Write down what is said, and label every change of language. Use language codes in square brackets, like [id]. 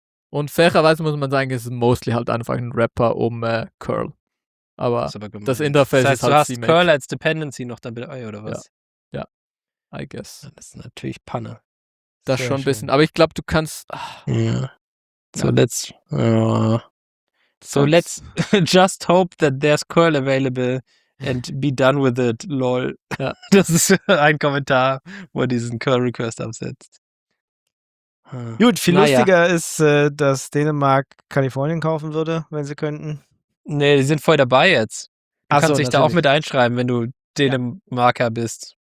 [de] Und fairerweise muss man sagen, es ist mostly halt einfach ein Wrapper um Curl. Aber das Interface ist halt CMake. Das heißt, du hast Curl als Dependency noch dann bei oder was? Ja. Ja, I guess. Das ist natürlich Panne. Das schon ein bisschen. Aber ich glaube, du kannst... Ja. Zuletzt. [en] So let's just hope that there's Curl available and be done with it, lol. [de] Ja. Das ist ein Kommentar, wo er diesen Curl-Request absetzt. Gut, viel lustiger ist, dass Dänemark Kalifornien kaufen würde, wenn sie könnten. Nee, die sind voll dabei jetzt. Du kannst dich da auch mit einschreiben, wenn du Dänemarker bist.